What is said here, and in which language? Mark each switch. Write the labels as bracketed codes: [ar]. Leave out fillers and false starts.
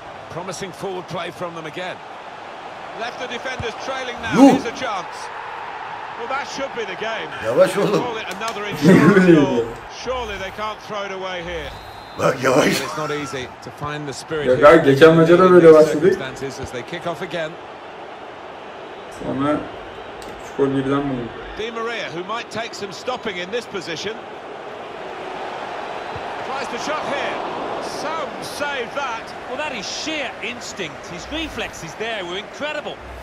[en] Promising forward play from them again. Left the defenders trailing now. Here's a chance. Well, that should be the game. [tr] Yavaş oğlum. [en] Surely they can't throw it away here. [tr] Bak yavaş. [en] It's not easy to find the spirit. [tr] Ya gal geçen maça da böyle başladı. [en] As they kick off again. [tr] Sonra gol birden buldu. [en] Di Maria, who might take some stopping in this position. Tries to shot here. Some save that. Well, that is sheer instinct. His reflexes there were incredible.